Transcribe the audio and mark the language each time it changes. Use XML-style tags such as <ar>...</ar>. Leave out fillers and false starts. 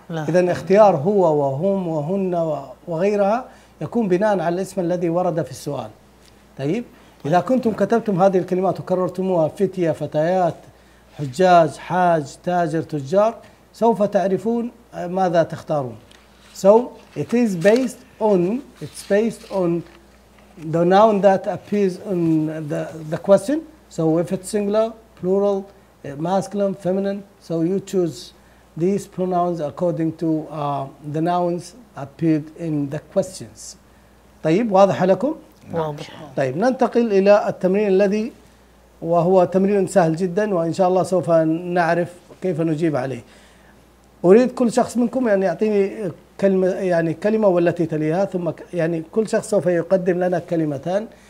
<ar>إذن اختيار هو وهم وهن وغيرها يكون بناء على الاسم الذي ورد في السؤال. طيب إذا كنتم كتبتم هذه الكلمات وكررتموها، فتية فتيات حجاج حاج تاجر تجار، سوف تعرفون ماذا تختارون.</ar> <en>So it is based on, it's based on the noun that appears in the question. So if it's singular, plural, masculine, feminine, so you choose these pronouns according to the nouns appeared in the questions.</en> <ar>طيب واضح لكم؟ واضح. طيب ننتقل إلى التمرين الذي وهو تمرين سهل جدا وإن شاء الله سوف نعرف كيف نجيب عليه. أريد كل شخص منكم أن يعطيني كلمة يعني كلمة والتي تليها ثم يعني كل شخص سوف يقدم لنا كلمتان.</ar>